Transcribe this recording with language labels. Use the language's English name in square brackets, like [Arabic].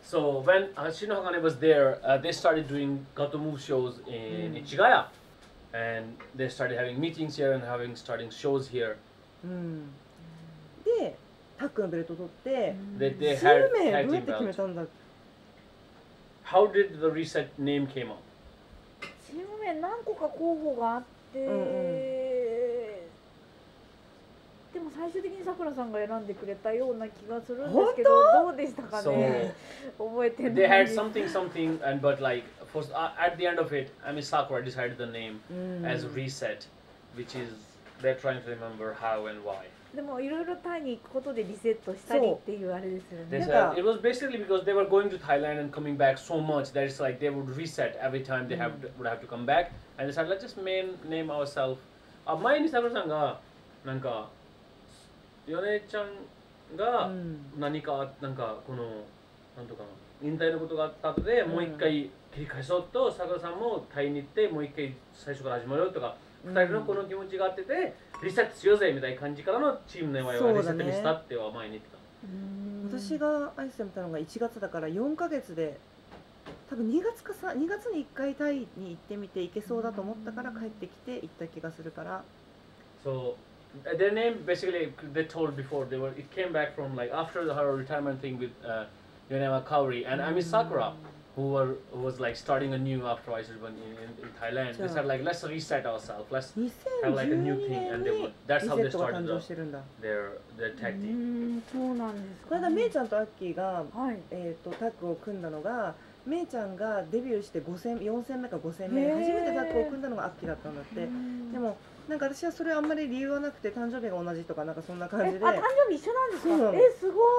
[English] So when Shino Hagane was there, they started doing Gato Move shows in Ichigaya. And they started having meetings here and having starting shows here. [Japanese] で、タックのベルトを取って、名どうやって決めたんだ [English] How did the reset name came up? [Japanese] 数名何個か候補があって、でも最終的にさくらさんが選んでくれたような気がするんですけど、どうでしたかね [English] so, [Japanese] 覚えてない。 [English] They had something, something, and but like, for, at the end of it, I mean, Sakura decided the name as Reset, which is, they're trying to remember how and why. [Japanese] でもいろいろタイに行くことでリセットしたりっていうあれですよね。 [English] They said, it was basically because they were going to Thailand and coming back so much that it's like they would reset every time they have to, would have to come back. And they said, let's just name ourselves. [Japanese] 前にさくらさんが、なんか、ヨネちゃんが何か、なんかこの、なんとかな、引退のことがあったので、もう一回切り返そうと、さくらさんも退院に行って、もう一回最初から始まるとか、二人のこの気持ちがあってて、リセットしようぜみたいな感じからのチームの名前はリセットにしたっては前に言ってた。ね、私が挨拶したのが1月だから、4ヶ月で、多分2月か3、2月に1回退院に行ってみて、行けそうだと思ったから帰ってきて行った気がするから。そう。 [English] Their name basically they told before they were it came back from like after her retirement thing with Yonema Kaori and Ami Sakura who was like starting anew after Ice Ribbon in Thailand. They said like let's reset ourselves, let's have like a new thing and they would that's how they started their tag team. [Japanese] そうなんですか。これがメイちゃんとアッキーが、はい、タッグを組んだのがメイちゃんがデビューして4戦目か5戦目初めてタッグを組んだのがアッキーだったんだって。でもなんか私はそれあんまり理由はなくて誕生日が同じとかなんかそんな感じで。え、誕生日一緒なんですか。